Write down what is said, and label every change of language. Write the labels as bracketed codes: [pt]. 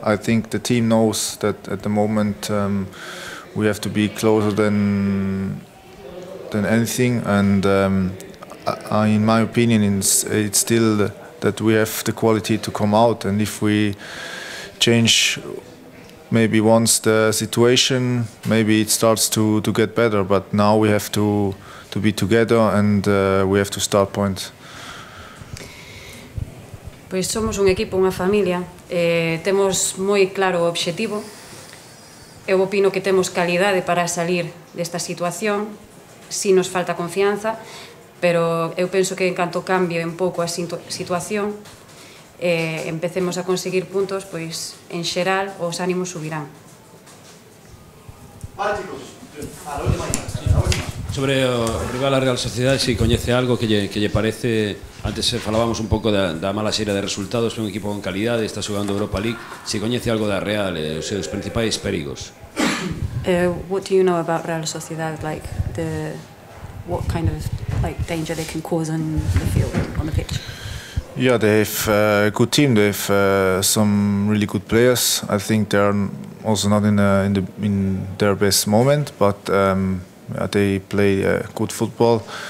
[en] I think the team knows that at the moment we have to be closer than anything, and in my opinion it's still that we have the quality to come out, and if we change maybe once the situation, maybe it starts to get better, but now we have to be together and we have to start points. [gl] Pois somos un equipo, unha familia, temos moi claro o obxectivo. Eu opino que temos calidade para salir desta situación, si nos falta confianza, pero eu penso que en canto cambie un pouco a situación, empecemos a conseguir puntos, pois en xeral os ánimos subirán. Sobre o rival, a Real Sociedade, si coñece algo que lle parece. Antes falábamos un pouco da mala serie de resultados, que un equipo con calidade está xogando Europa League. Si coñece algo da Real, os seus principais perigos. [en] What do you know about Real Sociedade, like the what kind of like danger they can cause on the field, on the pitch? Yeah, they have a good team. They have some really good players. I think they are also not in their best moment, but they play good football.